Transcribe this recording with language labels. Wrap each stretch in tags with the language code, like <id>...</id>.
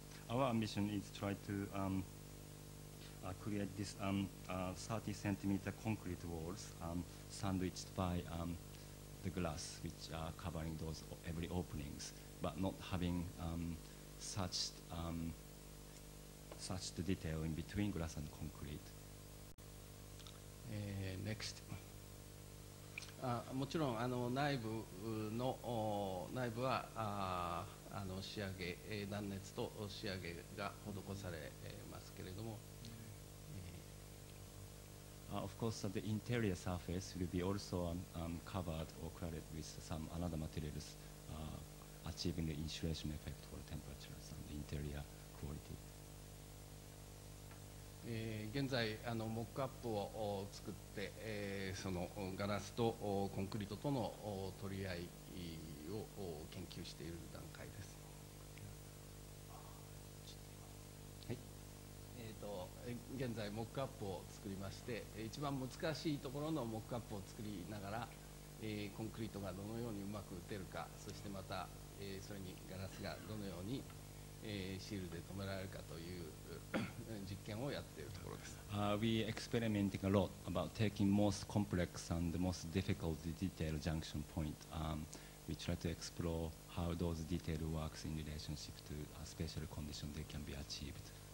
<en>Our ambition is to try to create this 30 centimeter concrete walls sandwiched by the glass which are covering those every openings, but not having such the detail in between glass and concrete. Next.</en> <ja>もちろん内部の内部は仕上げ断熱と仕上げが施されますけれども、</ja> <en>Of course, the interior surface will be also covered or cladded with some other materials, achieving the insulation effect for temperatures and interior quality.</en> <ja>現在モックアップを作って、そのガラスとコンクリートとの取り合いを研究している段階です。はい。現在モックアップを作りまして、一番難しいところのモックアップを作りながら、コンクリートがどのようにうまく打てるか、そしてまた、それにガラスがどのようにシールで止められるかという実験をやっているところです。</ja> <en>We experimenting a lot about taking most complex and the most difficult detail junction point. We try to explore how those detail works in relationship to a special condition they can be achieved.</en>